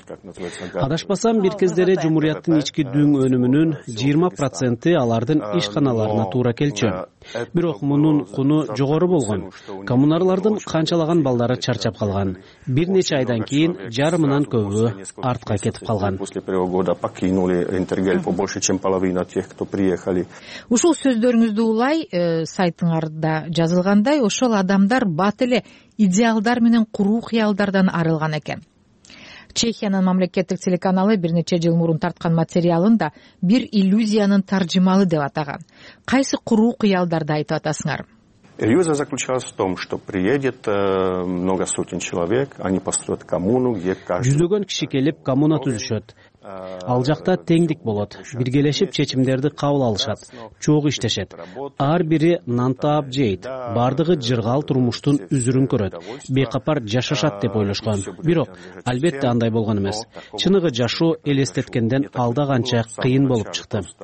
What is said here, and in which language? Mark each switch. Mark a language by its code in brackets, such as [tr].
[ky] Адашпасам, бир кездери жумуриятын ички дүң өнүмүнүн 20% алардын ишканаларына туура келчү. Бирок мунун куну жогору болгон. Коммунарлардын канчалаган балдары чарчап калган. Бир нече айдан кийин жарымынан көбү артка кетип калган. [ru] После первого года покинули Интергелпо больше, чем половина тех, кто приехали. [ky] Ушул сөздөрүңүздү улай сайтыңарда жазылгандай, ошол адамдар бат эле идеалдар менен куруу кыялдардан арылган экен. Чехиянын мамлекеттик телеканалы бир нече жыл мурун тарткан материалын да бир иллюзиянын таржымалы деп атаган. Кайсы куруу кыялдарды айтып атасыңар? [ru] Иллюзия заключалась в том, что приедет много сотен человек, они построят коммуну, где каждый. [ky] Жүздөгөн киши келип коммуна түзүшөт. Ал жакта теңдик болот. Биргелешип чечимдерди кабыл алышат, чогуу иштешет. Ар бири нан таап жейт. Бардыгы жыргал турмуштун үзүрүн көрөт. Бейкапар жашашат деп ойлошкон. Бирок, албетте андай болгон эмес. Чыныгы жашоо элестеткенден алда канча кыйын болуп чыкты.